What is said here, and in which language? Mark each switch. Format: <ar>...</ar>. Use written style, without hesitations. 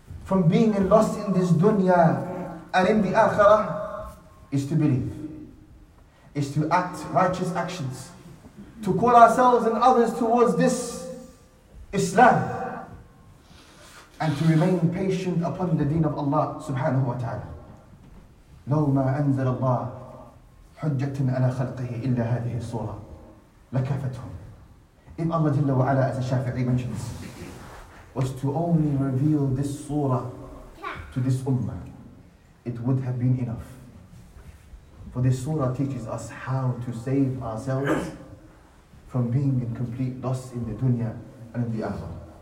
<en>from being lost in this dunya and in the akhirah is to believe, is to act righteous actions, to call ourselves and others towards this Islam, and to remain patient upon the deen of Allah subhanahu wa ta'ala.</en> <ar>لو ما أنزل الله حجة على خلقه إلا هذه الصورة لكفتهم.</ar> <en>If Allah Jalla wa Ala, as a Shafi'i mentions, was to only reveal this surah to this ummah, it would have been enough. For this surah teaches us how to save ourselves from being in complete loss in the dunya and in the akhirah.</en>